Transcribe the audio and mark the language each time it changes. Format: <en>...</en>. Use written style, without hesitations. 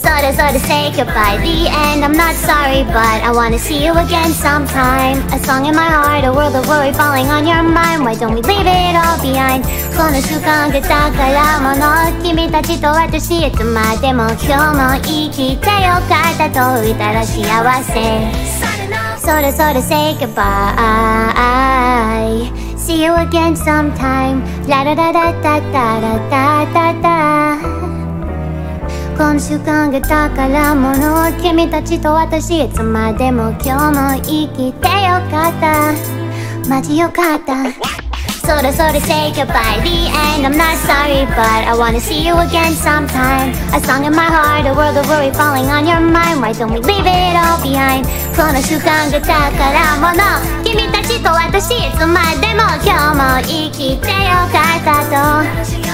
<en>Sorta say goodbye, the end. I'm not sorry, but I wanna see you again sometime. A song in my heart, a world of worry falling on your mind. Why don't we leave it all behind?</en> <ja>この瞬間が宝物、君たちと私いつまでも今日も生きてよかった、といたら幸せ。</ja> <en>Sorta say goodbye. See you again sometime. La da da da da da da da da da.</en> <ja>この瞬間が宝物、君たちと私いつまでも今日も生きてよかった。マジよかった。</ja> <en>Sorta say goodbye, the end. I'm not sorry, but I wanna see you again sometime. A song in my heart, a world of worry falling on your mind. Why don't we leave it all behind?</en> <ja>この瞬間が宝物、君たちと私いつまでも今日も生きてよかったと。</ja>